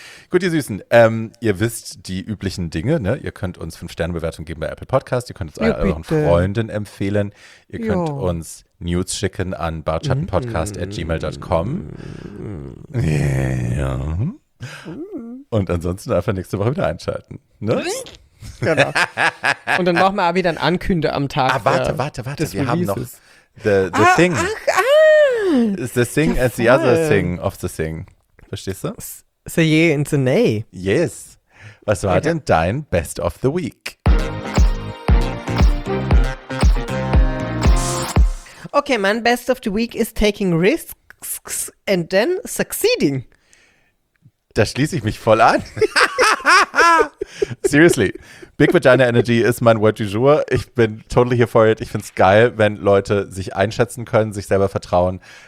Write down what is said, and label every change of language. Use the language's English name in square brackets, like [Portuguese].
[German] Gut, ihr Süßen, ihr wisst die üblichen Dinge, ne? Ihr könnt uns 5-Sterne-Bewertung geben bei Apple Podcast, ihr könnt uns euren Freunden empfehlen, ihr könnt uns News schicken an bartschattenpodcast@gmail.com. Und ansonsten einfach nächste Woche wieder einschalten, ne? Genau. Und dann machen wir auch wieder ein Ankünde am Tag. Ah, warte, wir haben noch [English] the thing. The thing is the other thing of the thing. [German] Verstehst du? [English] So ye and so nay. [German] Yes. Was war denn dein Best of the Week? [English] Okay, mein Best of the Week is taking risks and then succeeding. [German] Da schließe ich mich voll an. Seriously. Big Vagina Energy ist mein Word du jour. Ich bin [English] totally here for it. [German] Ich finde es geil, wenn Leute sich einschätzen können, sich selber vertrauen.